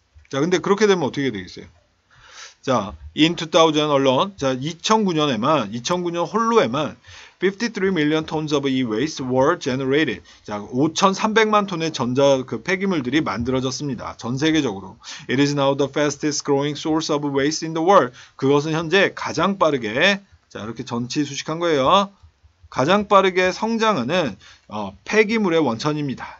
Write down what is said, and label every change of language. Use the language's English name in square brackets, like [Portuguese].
[Korean] 자, 근데 그렇게 되면 어떻게 되겠어요? [English] 자, in 2000 alone. [Korean] 자, 2009년 홀로에만 [English] 53 million tons of e-waste were generated. [Korean] 자, 5,300만 톤의 전자 그 폐기물들이 만들어졌습니다. 전 세계적으로. [English] It is now the fastest growing source of waste in the world. [Korean] 그것은 현재 가장 빠르게, 자, 이렇게 전치 수식한 거예요. 가장 빠르게 성장하는 폐기물의 원천입니다.